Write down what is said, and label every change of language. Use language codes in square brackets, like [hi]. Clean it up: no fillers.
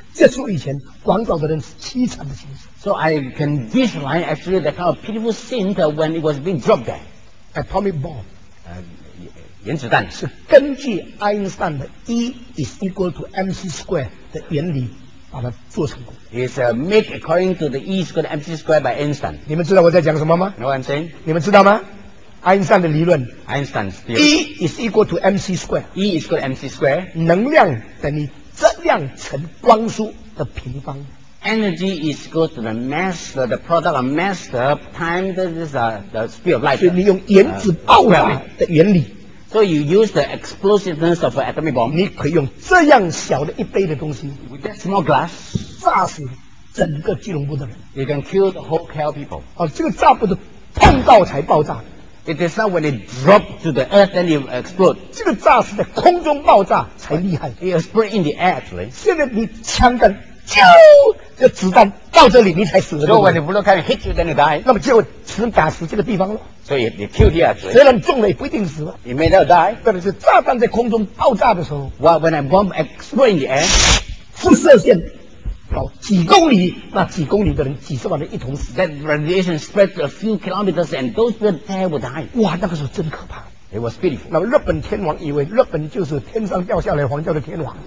[zh] 结束以前，广岛的人是凄惨的形势。 [en] So I can visualize actually the kind of pitiful scene when it was being dropped there. Atomic bomb. [zh] 原子弹是根据爱因斯坦的 [en] E is equal to mc square [zh] 的原理把它做成功。 [en] It's made according to the E is equal to mc square by Einstein. [zh] 你们知道我在讲什么吗 [en] ？Know what I'm saying? [zh] 你们知道吗？爱因斯坦的理论 [en] ，Einstein's E is equal to mc square. E is equal to mc square. [zh] 能量等于质量乘光速的平方。 [en] Energy is equal to the mass, the product of mass, the time, the speed of light. [zh] 所以你用原子爆炸的原理。 [en] So you use the explosiveness of an atomic bomb. [zh] 你可以用这样小的一杯的东西 [en] ，with that small glass, [zh] 炸死整个基隆部的人。 [en] You can kill the whole Kel people. [zh] 哦，这个炸不是碰到才爆炸。 [en] It is not when it drops to the earth and it explodes. [zh] 这个炸是在空中爆炸才厉害。 [en] It explodes in the air, actually. [zh] 现在你枪弹啾，这子弹到这里你才死了。 [en] So when the bullet can hit you, then you die. [zh] 那么就只能打死这个地方了。 [en] So you kill here, actually. [zh] 虽然中了也不一定死了。 [en] You may not die. [zh] 但是炸弹在空中爆炸的时候 [en] ，Well, when a bomb explodes in the air, [zh] 辐射线。好，几公里，那几公里的人，几十万人一同死。 [en] That radiation spread a few kilometers, and those people there would die. [zh] 哇，那个时候真可怕。 [en] It was beautiful. [zh] 那么日本天王以为日本就是天上掉下来皇教的天王。